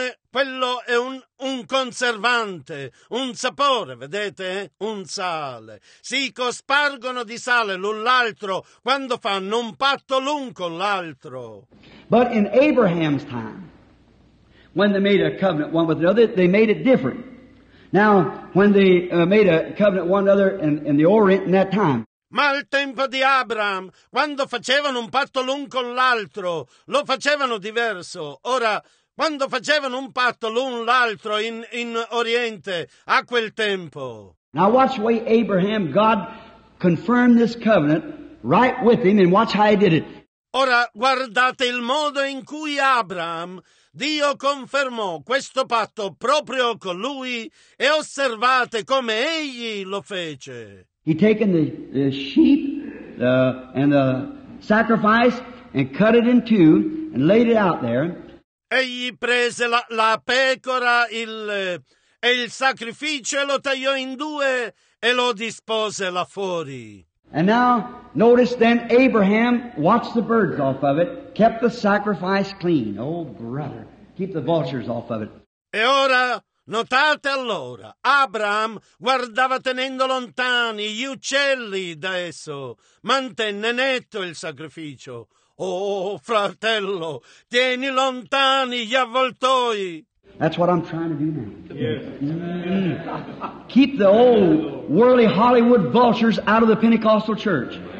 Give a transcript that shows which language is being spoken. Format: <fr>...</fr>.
<it>Quello è un conservante, un sapore, vedete? Un sale. Si cospargono di sale l'un l'altro quando fanno un patto l'un con l'altro.</it> <en>But in Abraham's time, when they made a covenant one with another, they made it different. Now, when they made a covenant one another in the Orient in that time.</en> <it>Ma al tempo di Abraham, quando facevano un patto l'un con l'altro, lo facevano diverso. Ora, quando facevano un patto l'un l'altro in Oriente, a quel tempo.</it> <en>Now watch the way Abraham, God confirmed this covenant right with him, and watch how he did it.</en> <it>Ora, guardate il modo in cui Abraham, Dio confermò questo patto proprio con lui e osservate come egli lo fece.</it> <en>He taken the sheep and the sacrifice and cut it in two and laid it out there.</en> <it>Egli prese la pecora il sacrificio e lo tagliò in due e lo dispose là fuori.</it> <en>And now notice then Abraham watched the birds off of it, kept the sacrifice clean. Oh brother, keep the vultures off of it.</en> <it>E ora notate allora, Abraham guardava tenendo lontani gli uccelli da esso, mantenne netto il sacrificio. Oh, fratello, tieni lontani gli avvoltoi.</it> <en>That's what I'm trying to do now. Yes. Mm. Keep the old worldly Hollywood vultures out of the Pentecostal church.</en>